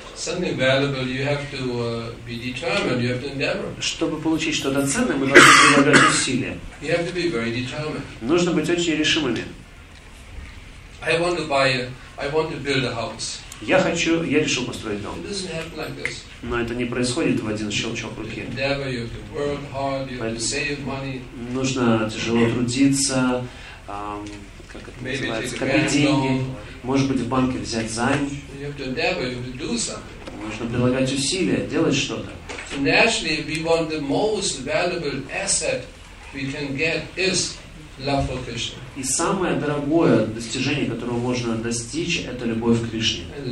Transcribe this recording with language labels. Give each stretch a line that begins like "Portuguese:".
English: something valuable, you have to be determined, you have to endeavor.
Russian: Чтобы получить что-то ценное, мы должны прилагать усилия.
English: You have to be very determined.
Russian: Нужно быть очень решимыми.
English: I want to build a house.
Russian: Я решил построить дом.
English: It doesn't happen like this.
Russian: Но это не происходит в один щелчок руки.
English: Endeavor, you have to work hard, you have to save money.
Russian: Нужно тяжело трудиться, как это называется, копить деньги, может быть, в банке взять займ. Нужно прилагать усилия, делать что-то. И самое дорогое достижение, которого можно достичь, это любовь к Кришне.